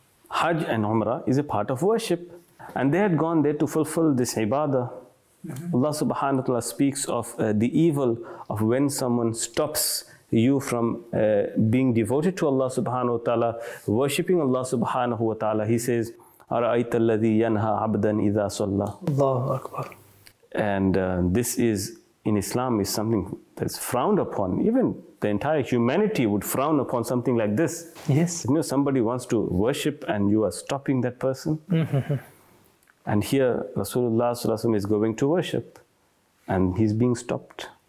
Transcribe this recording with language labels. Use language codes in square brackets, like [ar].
[en] Hajj and Umrah is a part of worship. And they had gone there to fulfill this ibadah. Mm-hmm. Allah subhanahu wa ta'ala speaks of the evil of when someone stops you from being devoted to Allah subhanahu wa ta'ala, worshipping Allah subhanahu wa ta'ala. He says, [ar] أَرَأَيْتَ الَّذِي يَنْهَى عَبْدًا إِذَا صَلَّى. Allahu Akbar. [en] And this is, in Islam, is something that's frowned upon. Even the entire humanity would frown upon something like this. Yes. You know, somebody wants to worship and you are stopping that person. And here, Rasulullah sallallahu alayhi wa sallam is going to worship and he's being stopped.